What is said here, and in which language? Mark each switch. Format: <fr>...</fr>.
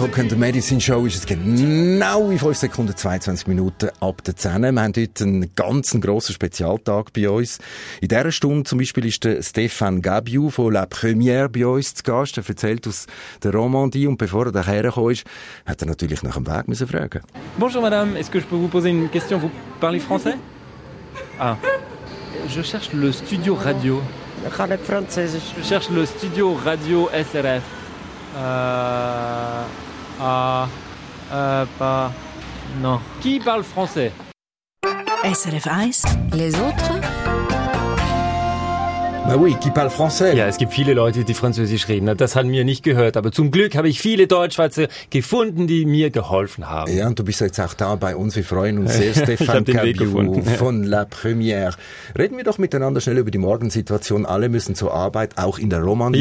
<de>Hock und der Medicine Show ist es genau in 5 Sekunden 22 Minuten ab der 10. Wir haben heute einen ganz grossen Spezialtag bei uns. In dieser Stunde zum Beispiel ist der Stéphane Gabiou von La Première bei uns zu Gast. Er erzählt aus der Romandie, und bevor er daher gekommen ist, hat er natürlich nach dem Weg müssen fragen.</de> <fr>Bonjour madame, est-ce que je peux vous poser une question? Vous parlez français? Ah. Je cherche le studio radio. Je parle français. Je cherche le studio radio SRF. Pas. Non. Qui parle français? SRF 1, les autres? Ben oui, qui parle français?</fr> <de>Ja, es gibt viele Leute, die Französisch reden. Das haben wir nicht gehört. Aber zum Glück habe ich viele Deutschschweizer gefunden, die mir geholfen haben. Ja, und du bist jetzt auch da bei uns. Wir freuen uns sehr, Stéphane Gabiou von La Première. Reden wir doch miteinander schnell über die Morgensituation. Alle müssen zur Arbeit, auch in der Romandie.</de>